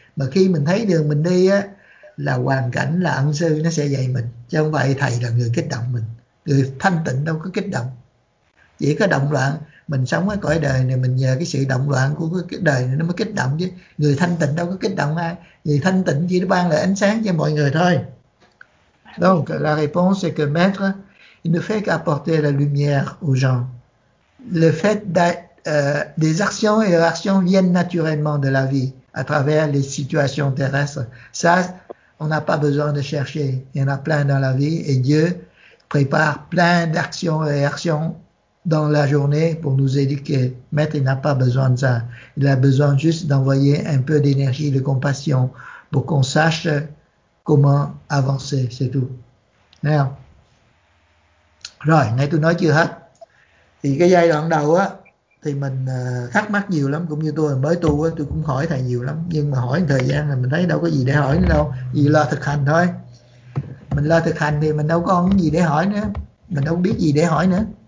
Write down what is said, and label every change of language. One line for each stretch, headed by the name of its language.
Vietnamese: Mà khi mình thấy đường mình đi á, là hoàn cảnh, là ân sư nó sẽ dạy mình, chứ không phải thầy là người kích động mình. Người thanh tịnh đâu có kích động, chỉ có động loạn. Mình sống ở cõi đời này, mình nhờ cái sự động loạn của cái đời này nó mới kích động chứ. Người thanh tịnh đâu có kích động ai. Người thanh tịnh chỉ ban lại ánh sáng cho mọi người thôi.
French: Donc, la réponse est que maître, il ne fait qu'apporter la lumière aux gens. Le fait des actions et réactions viennent naturellement de la vie à travers les situations terrestres. Ça, on n'a pas besoin de chercher. Il y en a plein dans la vie et Dieu prépare plein d'actions et réactions dans la journée pour nous éduquer. Maître, il n'a pas besoin de ça. Il a besoin juste d'envoyer un peu d'énergie, de compassion pour qu'on sache comment avancer, c'est tout.
Vietnamese: Now. Rồi, nãy tôi nói chưa hết. Thì cái giai đoạn đầu á, thì mình thắc mắc nhiều lắm, cũng như tôi mới tu á, tôi cũng hỏi thầy nhiều lắm. Nhưng mà hỏi một thời gian là mình thấy đâu có gì để hỏi nữa đâu. Vì lo thực hành thôi. Mình lo thực hành thì mình đâu có gì để hỏi nữa. Mình đâu biết gì để hỏi nữa.